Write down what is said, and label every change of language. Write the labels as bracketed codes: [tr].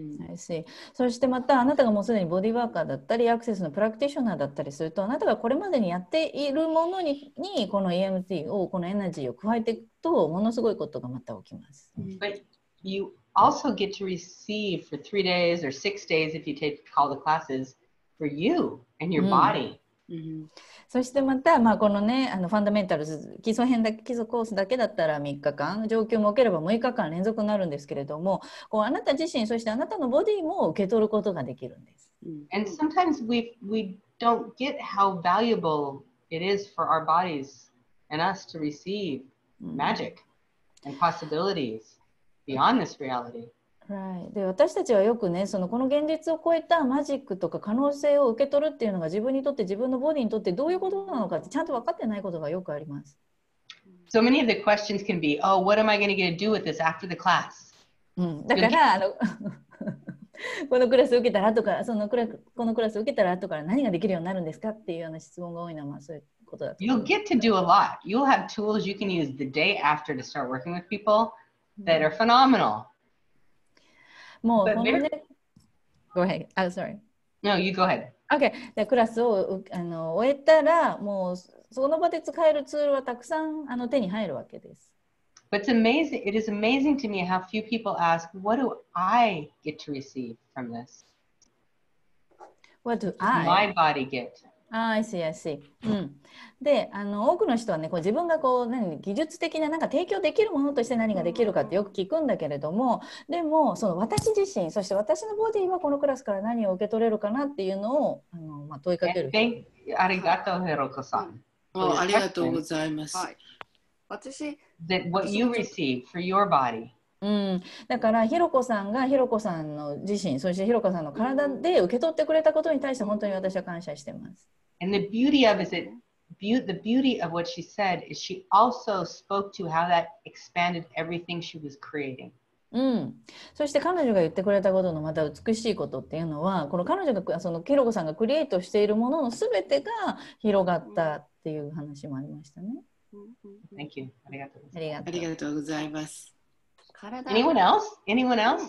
[en] I see. [ja] そしてまたあなたがもうすでにボディワーカーだったりアクセスのプラクティショナーだったりすると、あなたがこれまでにやっているものにこの EMT をこのエナジーを加えていくと、ものすごいことがまた起きます。 [en] But you also get to receive for 3 days or 6 days if you take all the classes for you and your body. [ja] そしてまた、まあ、このね、あのファンダメンタルズ基礎編だけ、基礎コースだけだったら3日間、上級も受ければ6日間連続になるんですけれども、こうあなた自身、そしてあなたのボディも受け取ることができるんです。 [en] And sometimes we don't get how valuable it is for our bodies and us to receive magic and possibilities beyond this reality Right. [ja] で、私たちはよくね、そのこの現実を超えたマジックとか可能性を受け取るっていうのが自分にとって、自分のボディにとってどういうことなのかってちゃんと分かってないことがよくあります。 [en] So many of the questions can be, oh, what am I going to do with this after the class? [ja] うん、だから、あのこのクラス受けたら後から、そのこのクラス受けたら後から何ができるようになるんですかっていうような質問が多いのは、まあ、そういうことだと思います。 [en] You'll get to do a lot. You'll have tools you can use the day after to start working with people that are phenomenal. [ja] もうこのね、 [en] go ahead. Oh, sorry. No, you go ahead. Okay. [ja] でクラスをあの終えたら、もうその場で使えるツールはたくさんあの手に入るわけです。 [en] But it's amazing. It is amazing to me how few people ask, "What do I get to receive from this? What do I? My body get? Ah, I see, I see. [ja] うん、であの多くの人はね、こう自分がこう何技術的ななんか提供できるものとして何ができるかってよく聞くんだけれども、でもその私自身、そして私のボディはこのクラスから何を受け取れるかなっていうのをあの、まあ、問いかける。ありがとう、ヘロコさん。ありがとうございます。私 [en] That what you receive for your body [ja] うん、だからひろこさんがひろこさんの自身、そしてひろこさんの体で受け取ってくれたことに対して本当に私は感謝しています。 [en] And the beauty of is it, the beauty of what she said is she also spoke to how that expanded everything she was creating、 [ja] うん、そして彼女が言ってくれたことのまた美しいことっていうのは、この彼女がそのひろこさんがクリエイトしているもののすべてが広がったっていう話もありましたね。 [en] Thank you. [ja] ありがとうございます。ありがとうございます。 [en] Anyone else? Anyone else?